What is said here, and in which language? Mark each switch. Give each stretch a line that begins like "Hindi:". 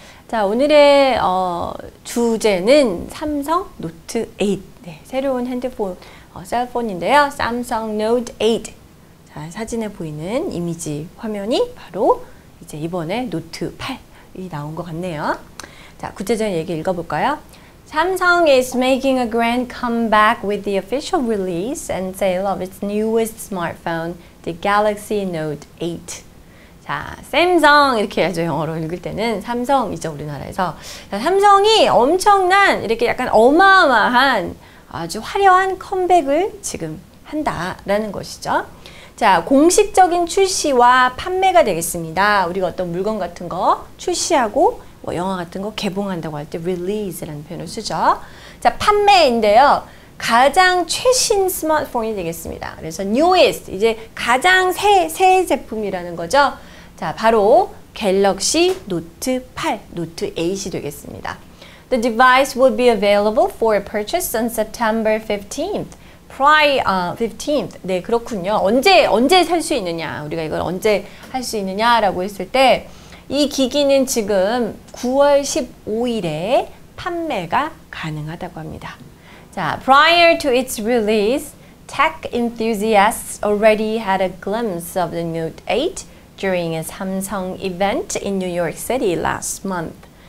Korean: 자, 오늘의 주제는 삼성 노트 8, 네, 새로운 핸드폰, 셀폰인데요. 삼성 노트 8, 자, 사진에 보이는 이미지 화면이 바로 이제 이번에 노트 8이 나온 것 같네요. 자, 구체적인 얘기 읽어볼까요?
English: Samsung is making a grand comeback with the official release and sale of its newest smartphone, the Galaxy Note 8.
Korean: 자, Samsung 이렇게 해야죠, 영어로 읽을 때는. 삼성이죠, 우리나라에서. 자, 삼성이 엄청난, 이렇게 약간 어마어마한 아주 화려한 컴백을 지금 한다라는 것이죠. 자, 공식적인 출시와 판매가 되겠습니다. 우리가 어떤 물건 같은 거 출시하고 뭐 영화 같은 거 개봉한다고 할 때 release라는 표현을 쓰죠. 자, 판매인데요. 가장 최신 스마트폰이 되겠습니다. 그래서 newest, 이제 가장 새 제품이라는 거죠. 자, 바로 갤럭시 노트 8, 노트 8이 되겠습니다.
English: The device will be available for purchase on September 15th.
Korean: 15th. 네, 그렇군요. 언제 살 수 있느냐. 우리가 이걸 언제 할 수 있느냐라고 했을 때 이 기기는 지금 9월 15일에 판매가 가능하다고 합니다. 자,
English: prior to its release, tech enthusiasts already had a glimpse of the Note 8 during a Samsung event in New York City last month.